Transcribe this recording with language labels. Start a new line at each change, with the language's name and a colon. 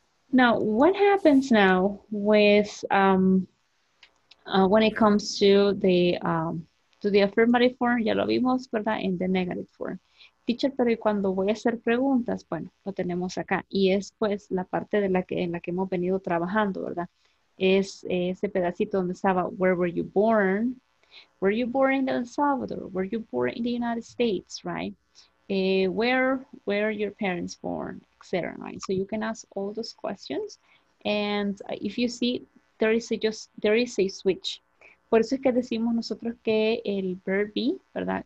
English: Now, what happens now with when it comes to the affirmative form?
Spanish: Ya lo vimos, ¿verdad?
English: In the negative form.
Spanish: Teacher, pero ¿y cuando voy a hacer preguntas? Bueno, lo tenemos acá. Y es pues la parte de la que, en la que hemos venido trabajando, ¿verdad? Es ese pedacito donde estaba,
English: where were you born? Were you born in El Salvador? Were you born in the United States, right? Where were your parents born, etc., right? So you can ask all those questions. And if you see, there is a switch.
Spanish: Por eso es que decimos nosotros que el verb be, ¿verdad?